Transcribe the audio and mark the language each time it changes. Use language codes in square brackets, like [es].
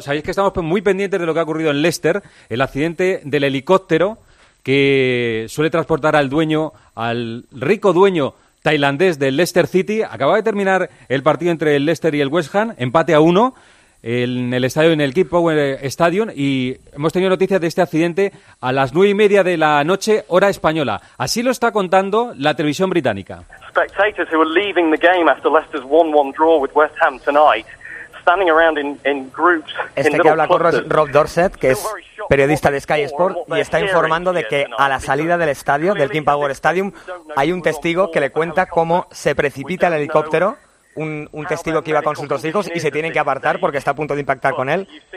[es] Sabéis que estamos muy pendientes de lo que ha ocurrido en Leicester, el accidente del helicóptero que suele transportar al dueño, al rico dueño tailandés del Leicester City. Acababa de terminar el partido entre el Leicester y el West Ham, empate a uno en el estadio, en el Kirk Power Stadium, y hemos tenido noticias de este accidente a las 9:30 de la noche, hora española. Así lo está contando la televisión británica. [en] Spectators who are leaving the game after Leicester's 1-1 draw with West Ham tonight. [es] Este que habla con Rob Dorsett, que es periodista de Sky Sport, y está informando de que a la salida del estadio, del King Power Stadium, hay un testigo que le cuenta cómo se precipita el helicóptero un testigo que iba con sus dos hijos y se tienen que apartar porque está a punto de impactar con él.